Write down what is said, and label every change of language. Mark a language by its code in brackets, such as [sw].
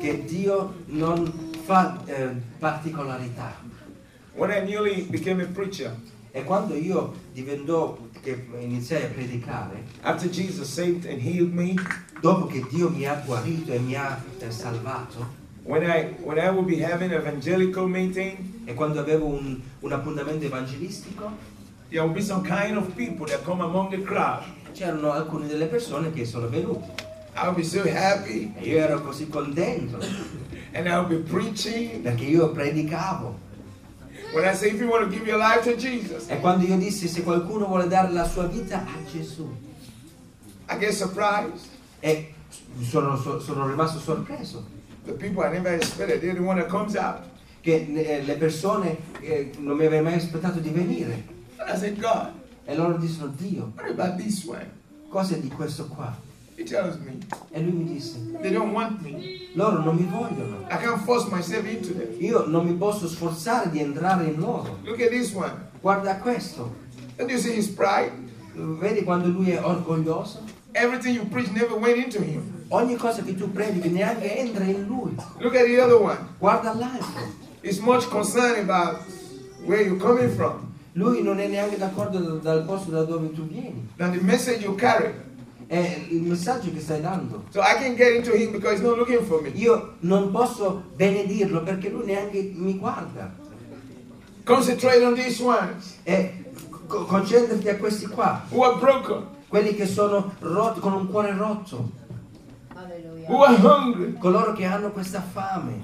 [it] Che Dio non fa particolarità. [en] When I newly became a preacher. [it] E quando io divenno che iniziai a predicare. [en] After Jesus saved and healed me. [it] Dopo che Dio mi ha guarito e mi ha salvato. [en] When I would be having an evangelical meeting, [it] e quando avevo un appuntamento evangelistico, [en] there would be some kind of people that come among the crowd. [it] C'erano alcune delle persone che sono venute. [en] I would be so happy. [it] E io ero così contento. [en] And I would be preaching. [it] Perché io predicavo. [en] When I say if you want to give your life to Jesus. [it] E quando io dissi se qualcuno vuole dare la sua vita a Gesù. [en] I get surprised. [it] E sono rimasto sorpreso. [en] The people I never expected, they're the one that comes out. [it] Che le persone non mi avevano mai aspettato di venire. [en] And I said, God. [it] E loro dissero Dio. [en] What about this one? [it] Cosa di questo qua? [en] He tells me. [it] E lui mi disse. [en] They don't want me. [it] Loro non mi vogliono. [en] I can't force myself into them. [it] Io non mi posso sforzare di entrare in loro. [en] Look at this one. [it] Guarda questo. [en] And you see his pride. [it] Vedi quando lui è orgoglioso. [en] Everything you preach never went into him. [it] Ogni cosa che tu predichi neanche entra in lui. [en] Look at the other one. [it] Guarda l'altro. [en] He's much concerned about where you're coming from. [it] Lui non è neanche d'accordo dal posto da dove tu vieni. [en] Now the message you carry. [it] È il messaggio che stai dando. [en] So I can get into him because he's not looking for me. [it] Io non posso benedirlo perché lui neanche mi guarda. [en] Concentrate on these ones. [it] E concentrati a questi qua. [en] Who are broken. [it] Quelli che sono rotti con un cuore rotto. [en] Who are hungry. [it] Coloro che hanno questa fame.